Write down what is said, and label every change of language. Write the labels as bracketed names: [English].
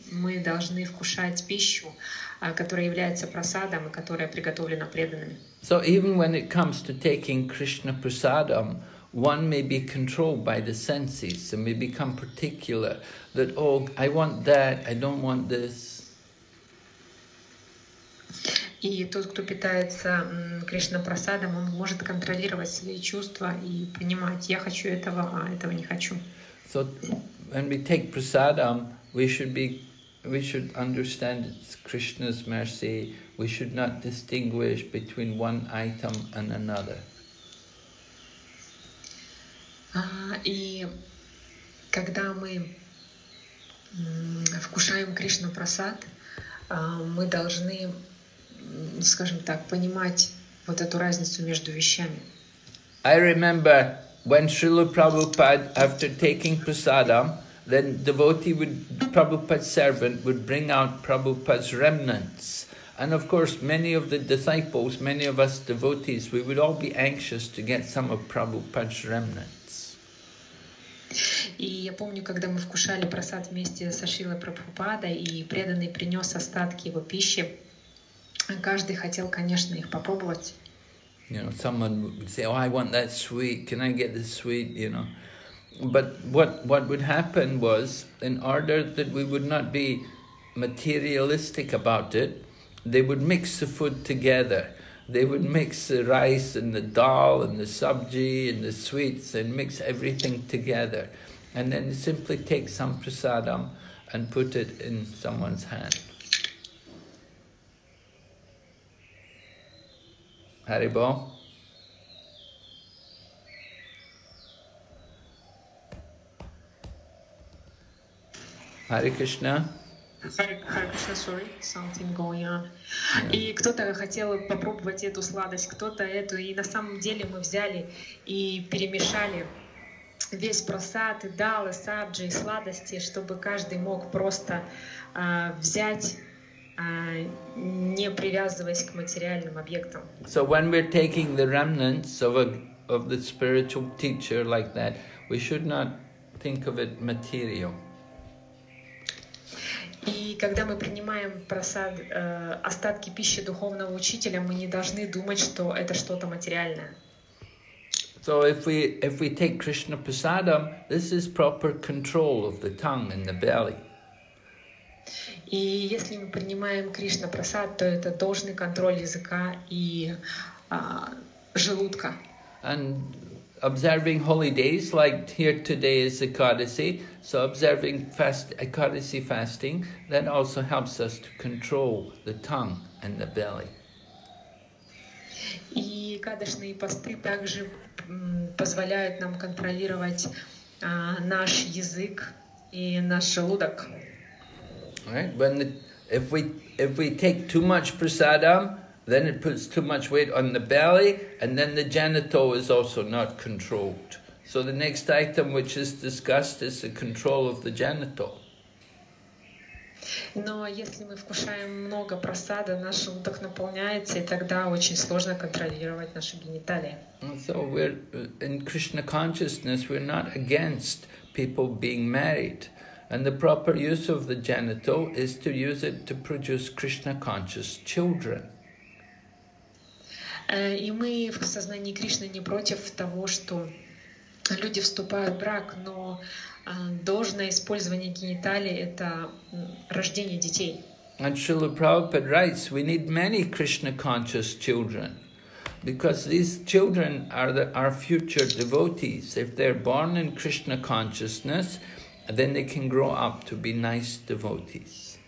[Russian] Мы должны вкушать пищу, которая является прасадом и которая приготовлена преданными. [English] So even when it comes to taking Krishna prasadam, one may be controlled by the senses and may become particular that, oh, I want that, I don't want this. [Russian] И тот, кто питается Кришна-прасадом, он может контролировать свои чувства и понимать, я хочу этого, а этого не хочу. [English] So when we take prasadam, we should understand it's Krishna's mercy. We should not distinguish between one item and another. [Russian] И когда мы вкушаем Кришну прасад, мы должны, скажем так, понимать вот эту разницу между вещами. [English] I remember when Srila Prabhupada, after taking prasadam, then devotee would, Prabhupada's servant would bring out Prabhupada's remnants. And of course, many of the disciples, many of us devotees, we would all be anxious to get some of Prabhupada's remnants. И я помню, когда мы вкушали прасад вместе со Шрилой Прабхупадой, и преданный принес остатки его пищи, каждый хотел, конечно, их попробовать. You know, someone would say, oh, I want that sweet, can I get this sweet, you know. But what would happen was, in order that we would not be materialistic about it, they would mix the food together. They would mix the rice and the dal and the sabji and the sweets and mix everything together. And then simply take some prasadam and put it in someone's hand. Hari Bol. Hare Krishna. Hare Krishna, sorry, something going on. [Russian] И кто-то хотел попробовать эту сладость, кто-то эту, и на самом деле мы взяли и перемешали весь просад, и дал, и саджи, и сладости, чтобы каждый мог просто взять, не привязываясь к материальным объектам. [English] So when we're taking the remnants of the spiritual teacher like that, we should not think of it material. [Russian] И когда мы принимаем просад, остатки пищи духовного учителя, мы не должны думать, что это что-то материальное. [English] So if we take Krishna prasadam, this is proper control of the tongue and the belly. [Russian] И если мы принимаем Кришна прасад, то это должный контроль языка и желудка. [English] And observing holy days, like here today is Ekadasi, so observing Ekadasi fasting, that also helps us to control the tongue and the belly. [Russian] И кадышные посты также позволяют нам контролировать наш язык и наш желудок. [English] Right? If we take too much prasadam, then it puts too much weight on the belly, and then the genital is also not controlled. So the next item which is discussed is the control of the genital. [Russian] Но если мы вкушаем много просада, наш желудок наполняется, и тогда очень сложно контролировать наши гениталии. [English] So we're in Krishna consciousness, we're not against people being married. And the proper use of the genital is to use it to produce Krishna conscious children. [Russian] И мы в сознании Кришны не против того, что люди вступают в брак, но должное использование гениталий — это рождение детей. [English] And Srila Prabhupada writes, we need many Krishna conscious children, because these children are our future devotees. If they're born in Krishna consciousness, then they can grow up to be nice devotees.